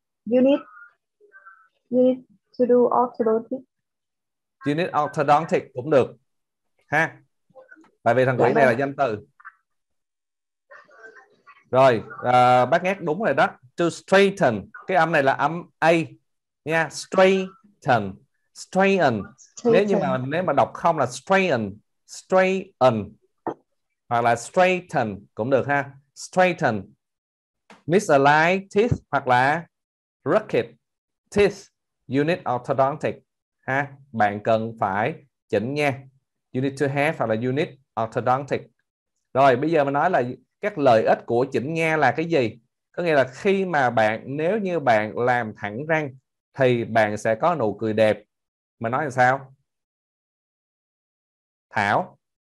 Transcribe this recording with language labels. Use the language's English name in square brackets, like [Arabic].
[English] You need to do orthodontic. You need orthodontic [Vietnamese] cũng được ha. Tại vì thằng quỷ này là danh từ. Rồi, bác nghe đúng rồi đó. [English] To straighten, [Vietnamese] cái âm này là âm A nha, straighten, straighten. Nếu như mà nếu mà đọc không là straighten, straighten hoặc là straighten cũng được ha. [English] Straighten misaligned teeth [Vietnamese] hoặc là [English] crooked teeth, you need orthodontic ha. [Vietnamese] Bạn cần phải chỉnh nha. [English] You need to have [Vietnamese] hoặc là [English] you need orthodontic. [Vietnamese] Rồi bây giờ mình nói là các lợi ích của chỉnh nha là cái gì? Có nghĩa là khi mà bạn, nếu như bạn làm thẳng răng thì bạn sẽ có nụ cười đẹp. Mà nói làm sao? Thảo.